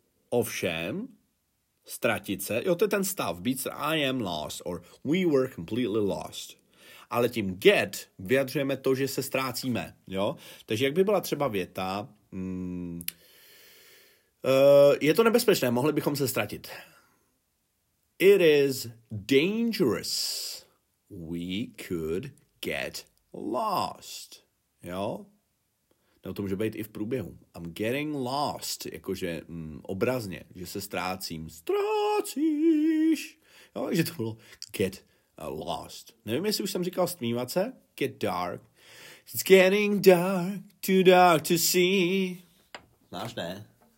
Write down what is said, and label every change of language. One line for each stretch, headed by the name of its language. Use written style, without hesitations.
Czech: Ovšem, ztratit se, jo, to je ten stav, být se,
English: I am lost, or we were completely lost.
Czech: Ale tím get vyjadřujeme to, že se ztrácíme, jo? Takže jak by byla třeba věta, je to nebezpečné, mohli bychom se ztratit.
English: It is dangerous, we could get lost,
Czech: jo? No to může být i v průběhu.
English: I'm getting lost,
Czech: jakože obrazně, že se ztrácím. Ztrácíš. Jo, že to bylo
English: get lost.
Czech: Nevím, jestli už jsem říkal stmívat se.
English: Get dark. It's getting dark to see.
Czech: Znáš, ne?